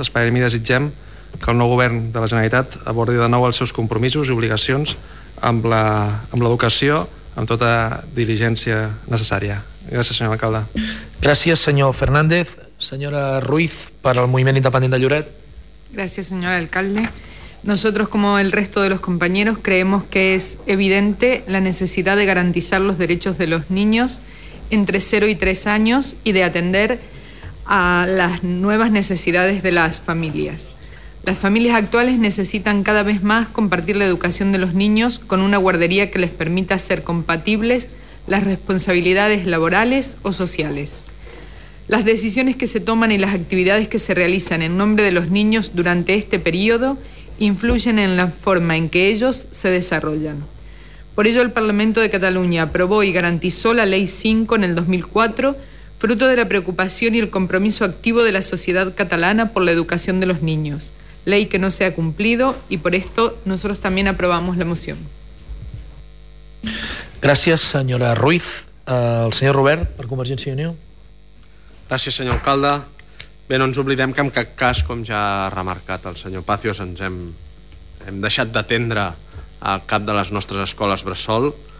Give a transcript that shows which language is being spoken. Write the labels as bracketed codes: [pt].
[ca] Esperem i desitgem que el nou govern de la Generalitat abordi de nou els seus compromisos i obligacions amb l'educació amb tota diligència necessària. Gràcies, senyor alcalde. Gràcies, senyor Fernández. Senyora Ruiz, per al Moviment Independent de Lloret. Gràcies, senyor alcalde. [es] Nosotros, como el resto de los compañeros, creemos que es evidente la necesidad de garantizar los derechos de los niños entre 0 y 3 años y de atender a las nuevas necesidades de las familias. Las familias actuales necesitan cada vez más compartir la educación de los niños con una guardería que les permita ser compatibles las responsabilidades laborales o sociales. Las decisiones que se toman y las actividades que se realizan en nombre de los niños durante este periodo influyen en la forma en que ellos se desarrollan. Por ello, el Parlamento de Cataluña aprobó y garantizó la Ley 5 en el 2004, fruto de la preocupación y el compromiso activo de la sociedad catalana por la educación de los niños. Ley que no se ha cumplido, y por esto nosotros también aprobamos la moción. Gracias, señora Ruiz. El señor [ca] Robert, per Convergència i Unió. Gràcies, senyor alcalde. Bé, no ens oblidem que en cap cas, com ja ha remarcat el senyor Pacios, ens hem deixat d'atendre a cap de les nostres escoles bressol.